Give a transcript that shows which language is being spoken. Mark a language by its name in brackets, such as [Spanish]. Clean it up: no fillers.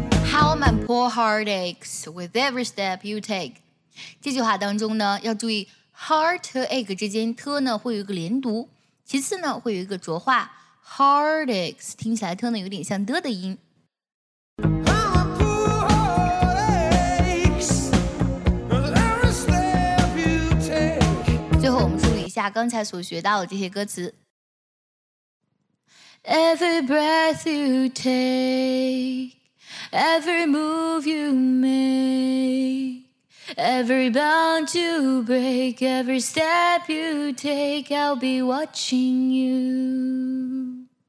[English] How my poor heart aches with every step you take. [Chinese] 这句话当中呢要注意 heart 和 ache 之间 t 呢会有一个连读，其次呢会有一个浊化 [English] heart aches， [Chinese] 听起来 t 呢有点像 d 的音。 [English] I'm a poor heart aches with every step you take。 [Chinese] 最后我们梳理一下刚才所学到的这些歌词。 [English] Every breath you take, every move you makeEvery bound you break, every step you take, I'll be watching you.